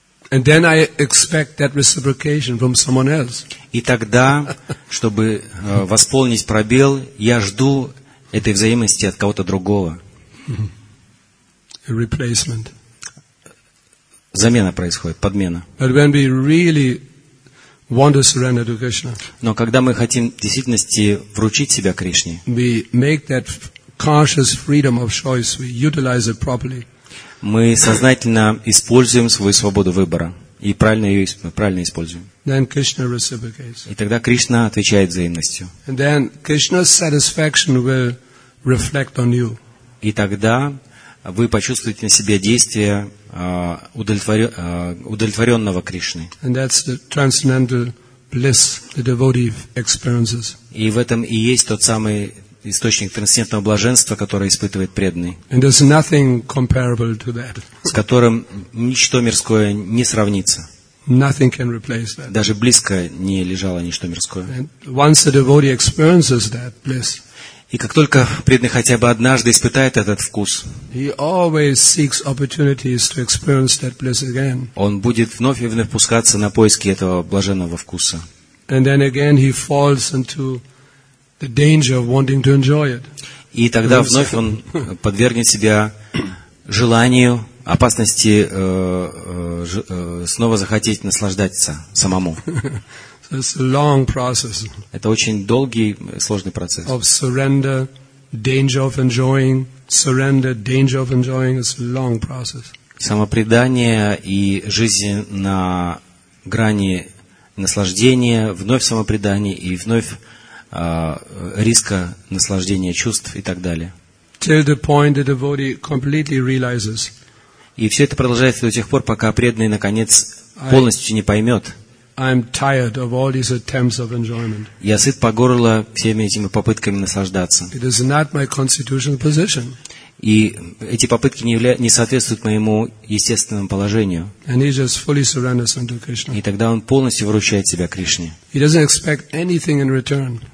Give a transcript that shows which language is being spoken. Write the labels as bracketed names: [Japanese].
[English] And then I expect that reciprocation from someone else. [Russian] И тогда, чтобы восполнить пробел, я жду этой взаимности от кого-то другого. [English] A replacement. [Russian] замена происходит, подмена. [English] But when we really want to surrender to Krishna, [Russian] но когда мы хотим в действительности вручить себя Кришне, [English] we make that conscious freedom of choice, we utilize it properly. [Russian] Мы сознательно используем свою свободу выбора и правильно ее правильно используем. [English] Then Krishna reciprocates. [Russian] И тогда Кришна отвечает взаимностью. [English] And then Krishna's satisfaction will reflect on you. [Russian] И тогда вы почувствуете на себе действие удовлетворенного Кришны. [English] And that's the transcendental bliss the devotee experiences. [Russian] И в этом и есть тот самый источник трансцендентного блаженства, которое испытывает преданный. [English] And there's nothing comparable to that. [Russian] С которым ничто мирское не сравнится. [English] Nothing can replace that. [Russian] Даже близко не лежало ничто мирское. [English] And once the devotee experiences that bliss, [Russian] и как только преданный хотя бы однажды испытает этот вкус, [English] he always seeks opportunities to experience that bliss again. [Russian] Он будет вновь и вновь пускаться на поиски этого блаженного вкуса. [English] And then again he falls into the danger of wanting to enjoy it. [Russian] И тогда вновь он подвергнет себя желанию, опасности снова захотеть наслаждаться самому. [English] It's a long process. [Russian] Это очень долгий, сложный процесс. [English] Of surrender, danger of enjoying, surrender, danger of enjoying. It's a long process. [Russian] Самопредание и жизнь на грани наслаждения, вновь самопредание и вновь риска наслаждения чувств и так далее. [English] Till the point the devotee completely realizes. [Russian] И все это продолжается до тех пор, пока преданный наконец полностью не поймет. [English] I'm tired of all these attempts of enjoyment. [Russian] Я сыт по горло всеми этими попытками наслаждаться. [English] It is not my constitutional position. [Russian] И эти попытки не соответствуют моему естественному положению. [English] And he just fully surrenders unto Krishna. [Russian] И тогда он полностью вручает себя Кришне. [English] He doesn't expect anything in return.